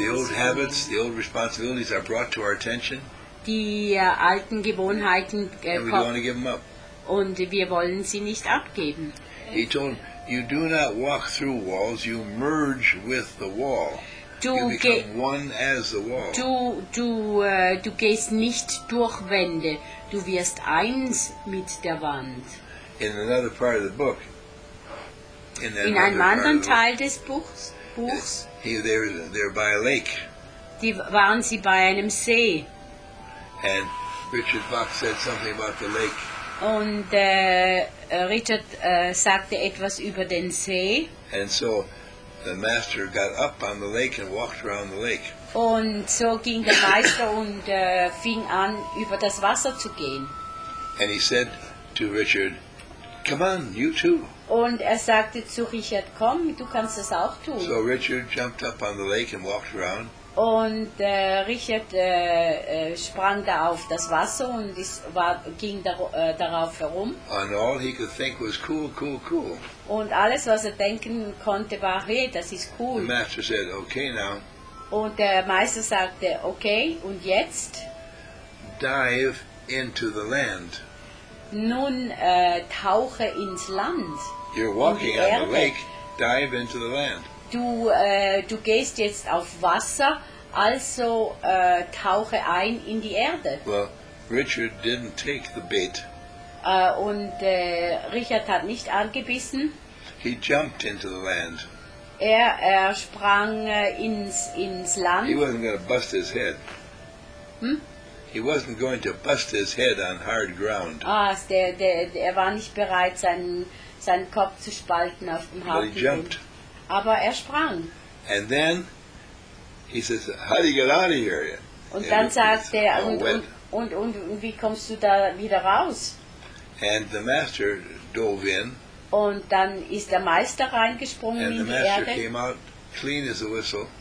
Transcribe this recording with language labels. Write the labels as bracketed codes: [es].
[en] The old habits, the old responsibilities are brought to our attention. [de] Die alten Gewohnheiten [en] and we don't want to give them up. [de] Und wir wollen sie nicht abgeben. [en] He told, you do not walk through walls, you merge with the wall. [de] Du [en] you become one as the wall. [de] Du gehst nicht durch Wände, du wirst eins mit der Wand. [en] In another part of the book, [de] in einem anderen Teil des Buchs, [en] they're by a lake. [de] Die waren sie bei einem See. [en] And Richard Bach said something about the lake. [de] Und Richard sagte etwas über den See. [en] And so the master got up on the lake and walked around the lake. [de] Und so ging der Meister und fing an, über das Wasser zu gehen. [en] And he said to Richard, come on, you too. [de] Und er sagte zu Richard, komm, du kannst das auch tun. [en] So Richard jumped up on the lake and walked around. [de] Und Richard sprang da auf das Wasser und ging darauf herum. [en] And all he could think was cool, cool, cool. [de] Und alles, was er denken konnte, war, hey, das ist cool. [en] The master said, okay now. [de] Und der Meister sagte, okay, und jetzt? [en] Dive into the land. [de] Nun tauche ins Land. [en] You're walking on the lake, dive into the land. [de] Du gehst jetzt auf Wasser, also tauche ein in die Erde. [en] Well, Richard didn't take the bait. [de] Und Richard hat nicht angebissen. [en] He jumped into the land. [de] Er sprang ins Land. [en] He wasn't going to bust his head. He wasn't going to bust his head on hard ground. [de] Ah, er war nicht bereit, seinen Kopf zu spalten auf dem harten Grund. [en] But he jumped. [de] Aber er sprang. [en] And then he says, "How do you get out of here?" [de] Und dann sagte er, und wie kommst du da wieder raus? [en] And the master dove in. [de] Und dann ist der Meister reingesprungen in die Erde. [en] And the master came out clean as a whistle.